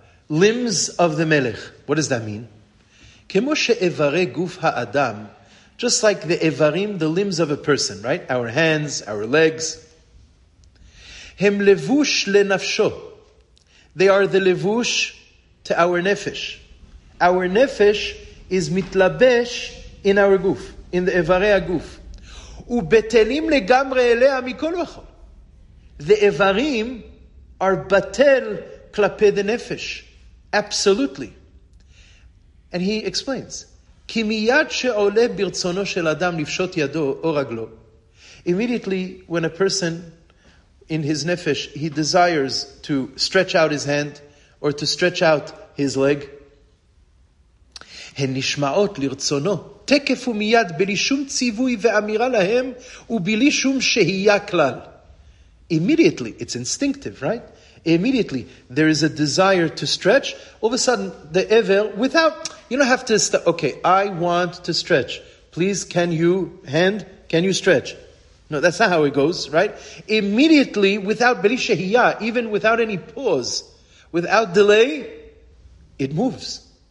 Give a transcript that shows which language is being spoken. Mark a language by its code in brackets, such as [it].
[en] Limbs of the Melech. What does that mean? Kemo she'evare guf ha'adam, just like the evarim, the limbs of a person, right? Our hands, our legs. [he] Hem levush lenafsho. [en] They are the levush to our nefesh. Our nefesh is mitlabesh in our guf, in the evare ha'guf. [he] ובטלים לגמרי אליה מכל וכל. [en] The איברים are בטל כלפי the נפש. Absolutely. And he explains, [he] כי מיד שעולה ברצונו של אדם לפשוט ידו או רגלו, [en] immediately when a person in his nefesh, he desires to stretch out his hand or to stretch out his leg, [he] הן נשמעות לרצונו, תקף ומיד, בלי שום ציווי ואמירה להם, ובלי שום שהייה כלל. [en] Immediately, it's instinctive, right? Immediately, there is a desire to stretch. All of a sudden, the evel, without, you don't have to, okay, I want to stretch. Please, can you, hand, can you stretch? No, that's not how it goes, right? Immediately, without beli shehiya, even without any pause, without delay, it moves.